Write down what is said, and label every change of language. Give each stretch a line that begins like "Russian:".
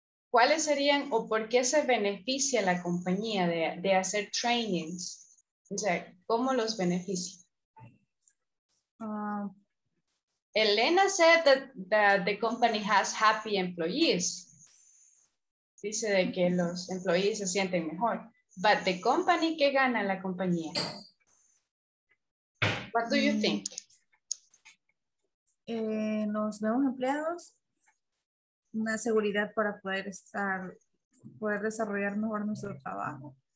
Spanish: ¿Cuáles serían o por qué se beneficia la compañía de hacer trainings? O sea, ¿cómo los beneficia?
English: Elena said that the company has happy employees.
Spanish: Dice de que los employees se sienten mejor.
English: But the company,
Spanish: ¿qué gana la compañía?
English: What do you think?
Spanish: Los nuevos empleados, una seguridad para poder desarrollar mejor nuestro trabajo.